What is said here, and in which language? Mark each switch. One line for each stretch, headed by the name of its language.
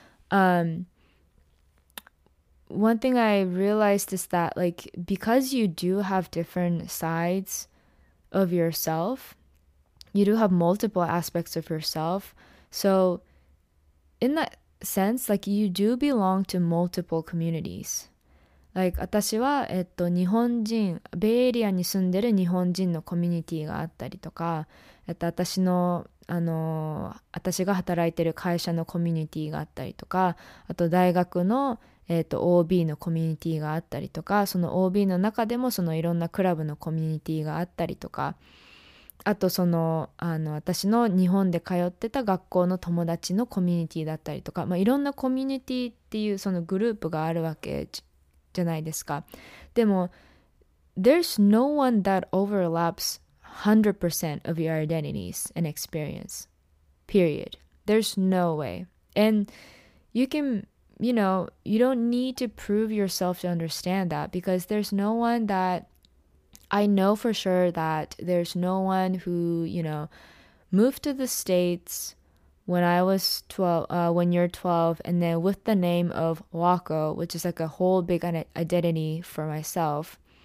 English: One thing I realized is that like because you do have different sides of yourself, you do have multiple aspects of yourself. So in that sense, like you do belong to multiple communities. Like
Japanese: 私は、日本人、ベイエリアに住んでる日本人のコミュニティがあったりとか、私の、私が働いてる会社のコミュニティがあったりとか、あと大学の、OB のコミュニティがあったりとか、その OB の中でもそのいろんなクラブのコミュニティがあったりとか、あとその、私の日本で通ってた学校の友達のコミュニティだったりとか、まあ、いろんなコミュニティっていうそのグループがあるわけじゃないですか。でも
English: There's no one that overlaps 100% of your identities and experience. Period. There's no way. And you can, you know, you don't need to prove yourself to understand that because there's no one thatI know for sure that there's no one who, you know, moved to the States when I was 12, when you're 12, and then with the name of Wako, which is like a whole big identity for myself,